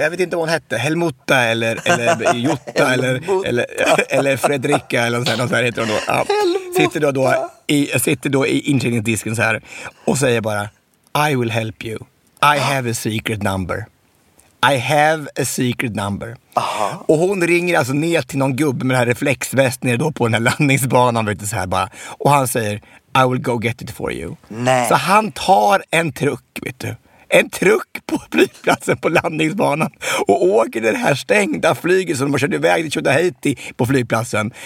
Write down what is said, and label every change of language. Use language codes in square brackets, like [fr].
[sv] Jag vet inte vad hon hette. Helmutta eller Jutta eller Fredrika eller något sådär heter hon då. Ja. Sitter då i inträngningsdisken så här. Och säger bara, [en] I will help you. I have a secret number. I have a secret number. [sv] Aha. Och hon ringer alltså ner till någon gubbe med den här reflexväst nere då på den här landningsbanan, vet du, så här bara. Och han säger, [en] I will go get it for you. [sv] Nej. Så han tar en truck, vet du. En truck på flygplatsen på landningsbanan. Och åker det här stängda flyget som de körde iväg till Tjodahejti på flygplatsen.